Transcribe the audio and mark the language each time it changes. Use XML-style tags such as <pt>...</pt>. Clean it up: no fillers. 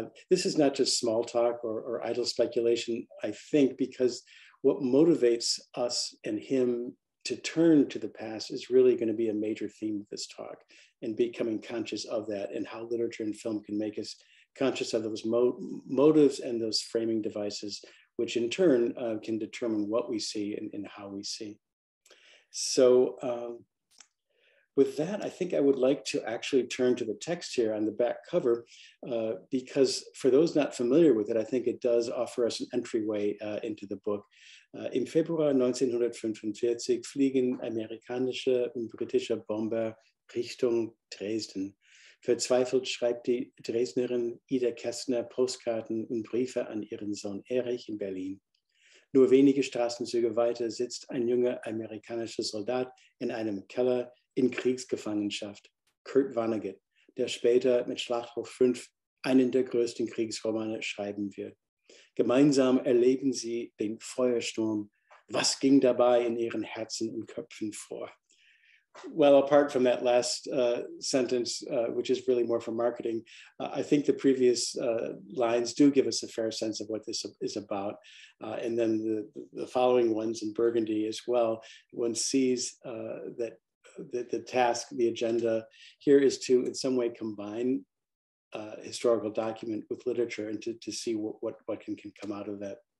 <en>This is not just small talk or idle speculation, I think, because what motivates us and him to turn to the past is really going to be a major theme of this talk, and becoming conscious of that and how literature and film can make us conscious of those motives and those framing devices, which in turn can determine what we see and how we see. So with that, I think I would like to actually turn to the text here on the back cover, because for those not familiar with it, I think it does offer us an entryway into the book.</en> <de>Im Februar 1945 fliegen amerikanische und britische Bomber Richtung Dresden. Verzweifelt schreibt die Dresdnerin Ida Kästner Postkarten und Briefe an ihren Sohn Erich in Berlin. Nur wenige Straßenzüge weiter sitzt ein junger amerikanischer Soldat in einem Keller in Kriegsgefangenschaft, Kurt Vonnegut, der später mit Schlachthof 5 einen der größten Kriegsromane schreiben wird. Gemeinsam erleben sie den Feuersturm. Was ging dabei in ihren Herzen und Köpfen vor?</de> <en>Well, apart from that last sentence, which is really more for marketing, I think the previous lines do give us a fair sense of what this is about. And then the following ones in Burgundy as well, one sees that the task, the agenda here is to in some way combine historical document with literature and to see what can come out of that.</en>